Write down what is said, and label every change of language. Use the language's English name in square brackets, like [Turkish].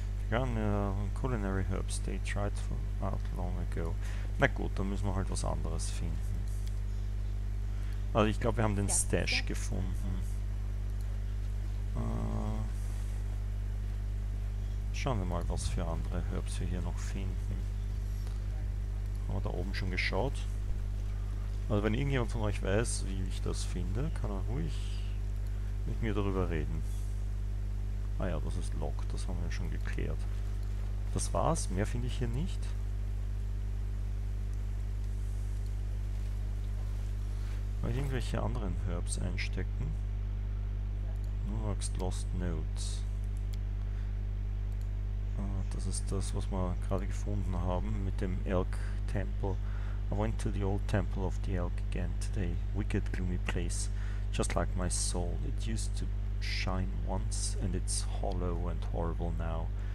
[English] Ja, Culinary Herbs, they tried for out long ago. [German] Na gut, dann müssen wir halt was anderes finden. Also ich glaube, wir haben den Stash gefunden. Schauen wir mal, was für andere Herbs wir hier noch finden. Haben wir da oben schon geschaut? Also wenn irgendjemand von euch weiß, wie ich das finde, kann er ruhig mit mir darüber reden. Ah ja, das ist Lock, das haben wir schon geklärt. Das war's, mehr finde ich hier nicht. Mal irgendwelche anderen Herbs einstecken. Nur sagst Lost Notes. Ah, das ist das, was wir gerade gefunden haben mit dem Elk Temple. [English] I went to the old temple of the elk again today. Wicked gloomy place. Just like my soul. It used to shine once, and it's hollow and horrible now.